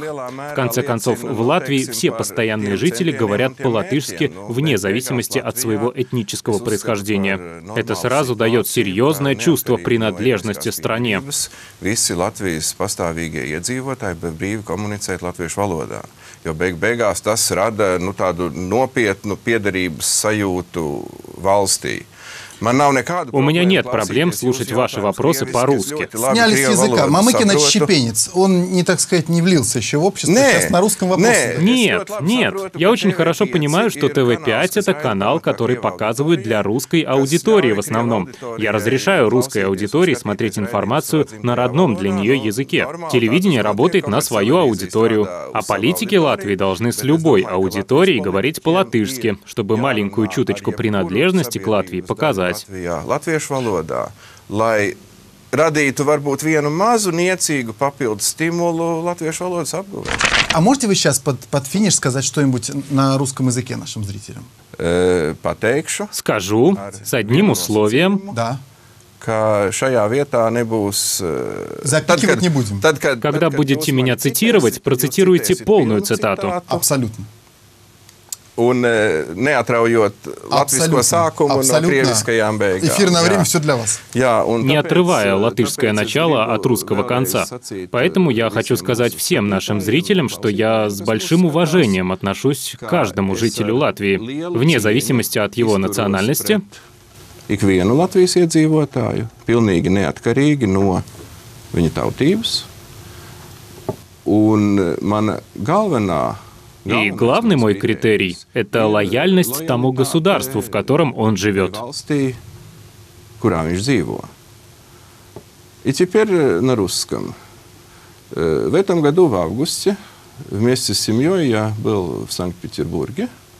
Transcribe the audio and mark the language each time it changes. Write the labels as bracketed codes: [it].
[ru] В конце концов, в Латвии все постоянные жители говорят по-латышски вне зависимости от своего этнического происхождения. Это сразу дает серьезное чувство принадлежности стране. Все латвийские постоянные жители свободно коммуницируют латвийским. [lv] Jo beigās tas rada nu, tādu nopietnu piederības sajūtu valstī. [ru] У меня нет проблем слушать ваши вопросы по-русски. Сняли с языка. Мамыкин отщепенец. Он, не так сказать, не влился еще в общество. Сейчас на русском вопросе. Нет. Я очень хорошо понимаю, что ТВ-5 — это канал, который показывают для русской аудитории в основном. Я разрешаю русской аудитории смотреть информацию на родном для нее языке. Телевидение работает на свою аудиторию. А политики Латвии должны с любой аудиторией говорить по-латышски, чтобы маленькую чуточку принадлежности к Латвии показать. [lv] Latvijā, latviešu valodā, lai radītu varbūt vienu mazu niecīgu papildu stimulu latviešu valodas apguvē. [ru] А можете вы сейчас под финиш сказать что-нибудь на русском языке нашим зрителям? [lv] Pateikšu. [ru] Скажу с одним условием. Да. [lv] Ka šajā vietā nebūs, [ru] Запикивать не будем. Когда будете меня цитировать, процитируйте полную цитату. Абсолютно. [lv] Un neatraujot latviskā sākumu no krieviskajām beigām. [ru] Эфирное время всё для вас. Я, не отрывая латышское начало от русского конца. Поэтому я хочу сказать всем нашим зрителям, что я с большим уважением отношусь к каждому жителю Латвии, вне зависимости от его национальности. [lv] Ikvienu Latvijas iedzīvotāju pilnīgi neatkarīgi no viņa tautības. Un mana galvenā [ru] И главный мой критерий – это лояльность тому государству, в котором он живет. И теперь на русском. В этом году, в августе, вместе с семьей я был в Санкт-Петербурге.